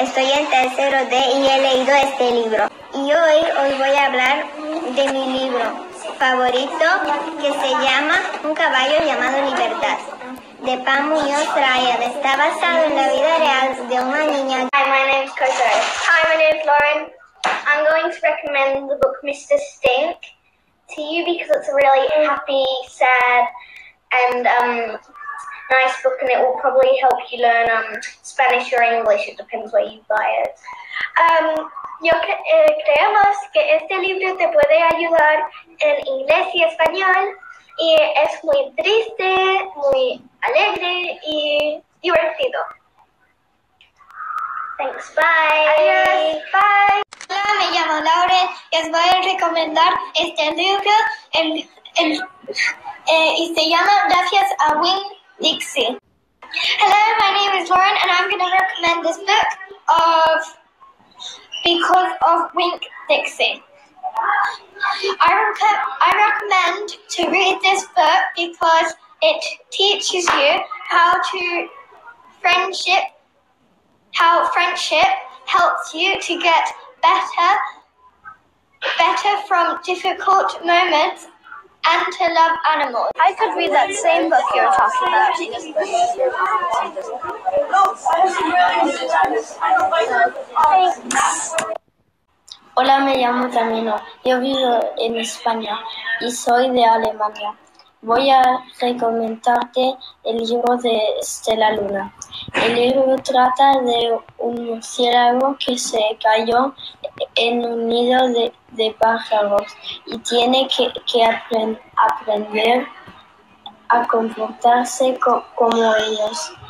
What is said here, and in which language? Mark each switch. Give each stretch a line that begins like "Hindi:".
Spanish: Estoy en tercero D y he leído este libro. Y hoy voy a hablar de mi libro favorito, que se llama Un caballo llamado Libertad, de Pam Muñoz Ryan. Está basado en la vida real de una niña.
English: Hi, my name is Coco. Hi, my name is Lauren. I'm going to recommend the book Mr. Stink to you because it's a really happy, sad, and nice book, and it will probably help you learn Spanish or English. It depends where you buy it.
Spanish: Creemos que este libro te puede ayudar en inglés y español, y es muy triste, muy alegre y divertido.
English: Thanks, bye.
Spanish: Adiós,
English: bye.
Spanish: Hola, me llamo Lauren y os voy a recomendar este libro y se llama Gracias a Win Dixie.
English: Hello, my name is Lauren and I'm going to recommend this book of Because of Wink Dixie. I recommend to read this book because it teaches you how friendship helps you to get better from difficult moments and to love animals. I could read that same book you're talking about.
Spanish: Hola, me llamo Camino. Yo vivo en España y soy de Alemania. Voy a recomendarte el libro de Estela Luna. El libro trata de un murciélago que se cayó en un nido de pájaros y tiene que aprender a comportarse como ellos.